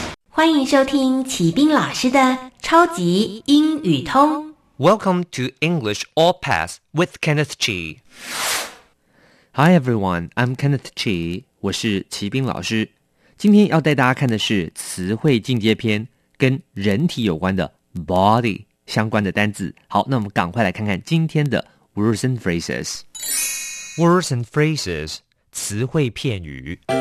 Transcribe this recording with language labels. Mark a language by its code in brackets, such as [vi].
[zh] 欢迎收听启斌老师的超级英语通。 [en] Welcome to English All Pass with Kenneth Chi. Hi everyone, I'm Kenneth Chi. [zh] 我是齐斌老师。今天要带大家看的是词汇进阶篇，跟人体有关的 body 相关的单字。好，那我们赶快来看看今天的 words and phrases. [en] Words and phrases, [zh] 词汇片语。